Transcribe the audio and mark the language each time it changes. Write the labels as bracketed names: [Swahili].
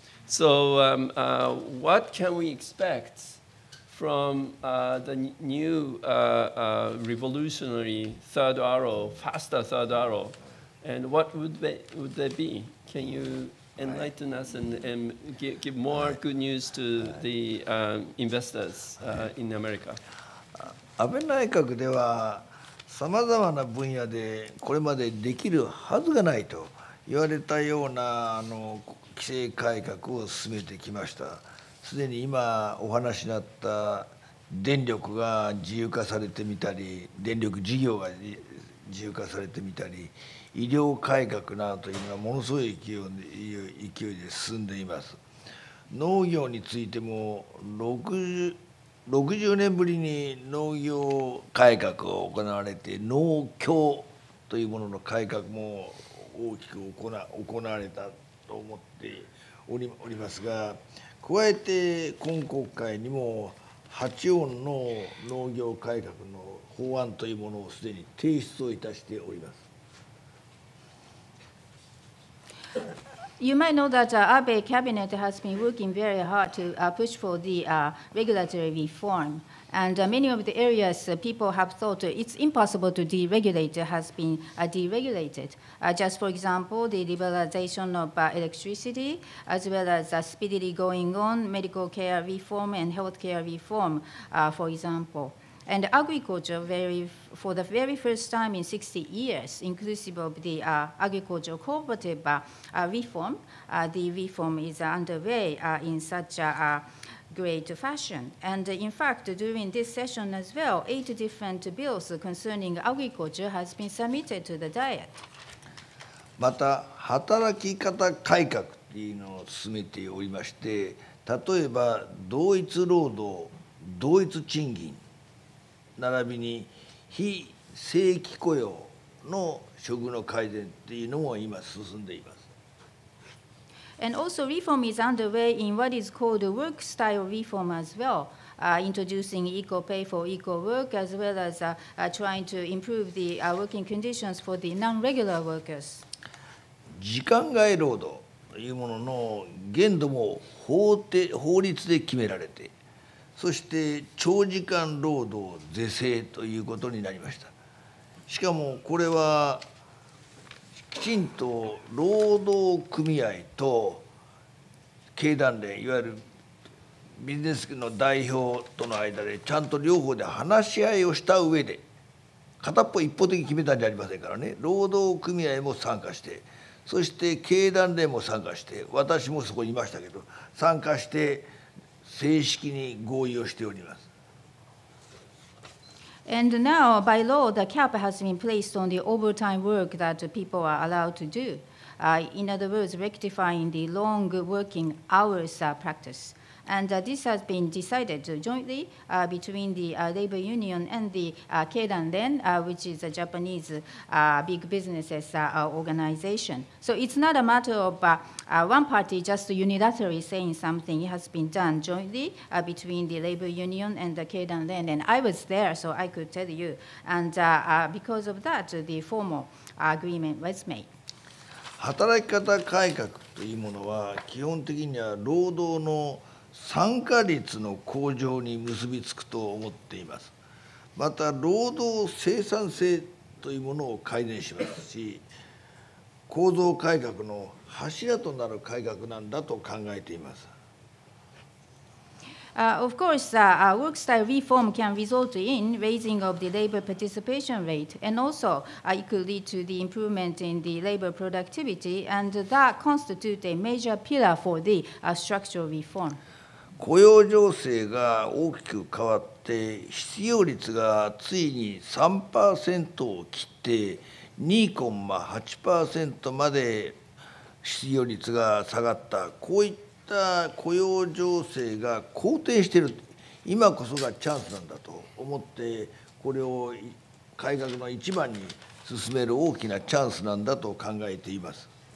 [English] So what can we expect from the new revolutionary third arrow, faster third arrow, and what would they be? Can you enlighten us and give more good news to the investors in America? [Japanese] 安倍内閣では様々な分野でこれまでできるはずがないと言われたようなあの規制改革を進めてきました。すでに今お話になった電力が自由化されてみたり、電力事業が自由化されてみたり、医療改革などというのはものすごい勢いで進んでいます。農業についても 60年ぶりに農業改革が行われて、農協というものの改革も大きく行われたと思っておりますが、加えて今国会にも八音の農業改革の法案というものをすでに提出をいたしております。 [English] You might know that Abe cabinet has been working very hard to push for the regulatory reform. And many of the areas people have thought it's impossible to deregulate has been deregulated. Just for example, the liberalization of electricity, as well as speedily going on medical care reform and healthcare reform, for example. And agriculture, for the very first time in 60 years, inclusive of the agriculture cooperative reform, the reform is underway in such a great fashion. And in fact, during this session as well, 8 different bills concerning agriculture has been submitted to the Diet. [Japanese] また、働き方改革というのを進めておりまして、例えば、同一労働、同一賃金、並びに非正規雇用の処遇の改善というのも今進んでいます。 [English] And also reform is underway in what is called work style reform as well, introducing equal pay for equal work as well as trying to improve the working conditions for the non-regular workers. [Japanese] 時間外労働というものの限度も法律で決められて、そして長時間労働是正ということになりました。しかもこれはきちんと労働組合と経団連、いわゆるビジネスの代表との間でちゃんと両方で話し合いをした上で、片っぽ一方的に決めたんじゃありませんからね、労働組合も参加して、そして経団連も参加して、私もそこにいましたけど、参加して正式に合意をしております。 [English] And now, by law, the cap has been placed on the overtime work that people are allowed to do. In other words, rectifying the long working hours practice. And this has been decided jointly between the labor union and the Keidanren, which is a Japanese big businesses organization. So it's not a matter of one party just unilaterally saying something. It has been done jointly between the labor union and the Keidanren. And I was there, so I could tell you. And because of that, the formal agreement was made. [Japanese] 働き方改革というものは基本的には労働の参加率の向上に結びつくと思っています。また労働生産性というものを改善しますし、構造改革の柱となる改革なんだと考えています。 [English] Of course, work style reform can result in raising of the labor participation rate, and also it could lead to the improvement in the labor productivity, and that constitute a major pillar for the structural reform. [Japanese] 雇用情勢が大きく変わって失業率がついに 3% を切って 2.8% まで失業率が下がった、こういった雇用情勢が好転している、今こそがチャンスなんだと思って、これを改革の一番に進める大きなチャンスなんだと考えています。